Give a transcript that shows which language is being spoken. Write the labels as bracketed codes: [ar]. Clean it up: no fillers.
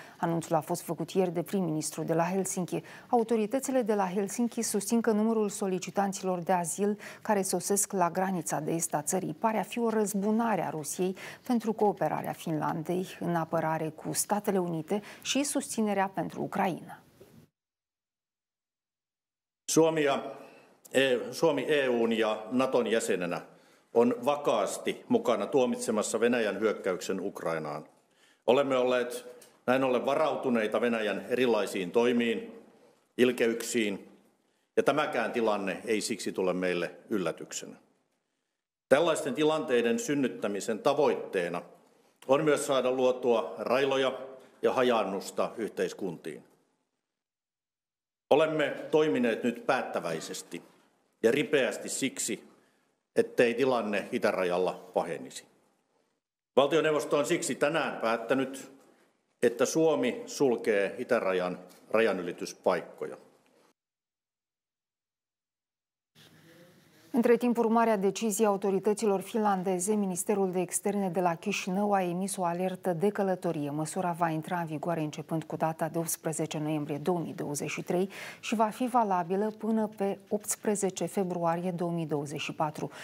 [ro] Anunțul a fost făcut ieri de prim-ministru de la Helsinki. Autoritățile de la Helsinki susțin că numărul solicitanților de azil care sosesc la granița de est a țării pare a fi o răzbunare a Rusiei pentru cooperarea Finlandei în apărare cu Statele Unite și susținerea pentru Ucraina. [fi] Suomi EU:n ja Naton jäsenenä on vakaasti mukana tuomitsemassa Venäjän hyökkäyksen Ukrainaan. Olemme olleet näin ollen varautuneita Venäjän erilaisiin toimiin, ilkeyksiin, ja tämäkään tilanne ei siksi tule meille yllätyksenä. Tällaisten tilanteiden synnyttämisen tavoitteena on myös saada luotua railoja ja hajannusta yhteiskuntiin. Olemme toimineet nyt päättäväisesti ja ripeästi siksi, ettei tilanne itärajalla pahenisi. Valtioneuvosto on siksi tänään päättänyt, että Suomi sulkee itärajan rajanylityspaikkoja. [ro] Între timp, urmarea deciziei autorităților finlandeze, Ministerul de Externe de la Chișinău a emis o alertă de călătorie. Măsura va intra în vigoare începând cu data de 18 noiembrie 2023 și va fi valabilă până pe 18 februarie 2024.